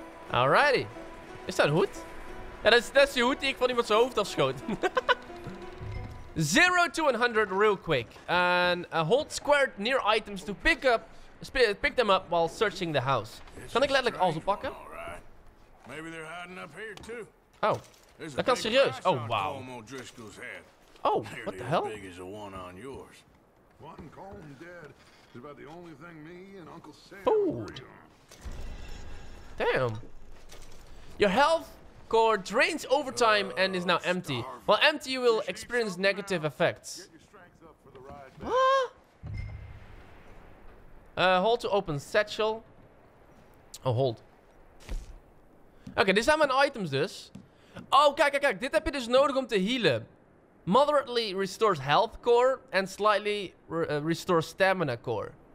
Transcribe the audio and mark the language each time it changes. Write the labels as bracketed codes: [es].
[nl] Alrighty. Is dat een hoed? Ja, dat is die hoed die ik van iemand zijn hoofd afschoot. [en] 0 to 100 real quick. And hold squared near items to pick them up while searching the house. [nl] Kan ik letterlijk alles oppakken? [en] Maybe they're hiding up here too. [nl] Oh, dat kan serieus. Oh, wow. [en] Oh, what the hell? Big as the one on yours. One calm dead is about the only thing me and Uncle Sam. Food. Damn. Your health core drains over time and is now empty. Starving. While empty, you will experience negative effects. What? Hold to open satchel. Oh, hold. [nl] Oké, dit zijn mijn items dus. Oh, kijk. Dit heb je dus nodig om te healen. [en] Moderately restores health core and slightly restores stamina core.